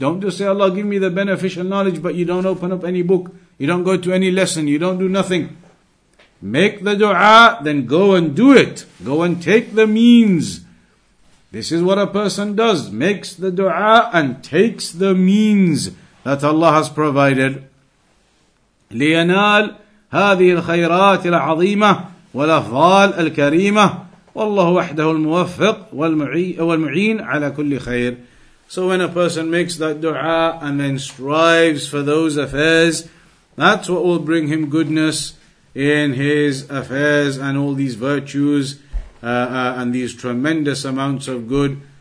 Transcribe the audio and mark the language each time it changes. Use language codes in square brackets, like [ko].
[en] Don't just say, Allah, give me the beneficial knowledge, but you don't open up any book. You don't go to any lesson. You don't do nothing. Make the dua, then go and do it. Go and take the means. This is what a person does. Makes the dua and takes the means that Allah has provided. [ar] لينال هذه الخيرات العظيمة والأفضال الكريمة. Allah wahdahu al-muwaffiq wal-mu'in ala kulli khair. [en] So when a person makes that dua and then strives for those affairs, that's what will bring him goodness in his affairs and all these virtues and these tremendous amounts of good.